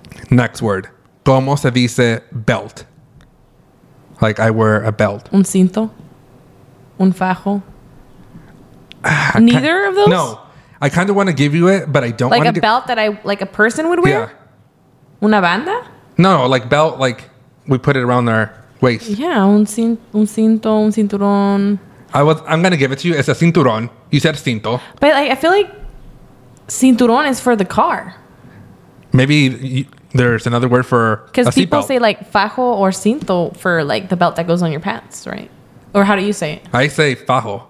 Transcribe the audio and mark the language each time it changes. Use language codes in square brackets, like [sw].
[en] Next word. [es] ¿Cómo se dice [en] belt? Like I wear a belt. [es] Un cinto. Un fajo. [en] Neither of those? No. I kind of want to give you it, but I don't want to. Like a belt that I, like a person would wear? [es] Yeah. Una banda? [en] No, like belt, like we put it around our waist. [es] Yeah, un cinto, un cinturón. [en] I'm going to give it to you. It's a cinturón. You said cinto. But like, I feel like cinturón is for the car. Maybe there's another word for a seatbelt. Because people say like fajo or cinto for like the belt that goes on your pants, right? Or how do you say it? I say fajo.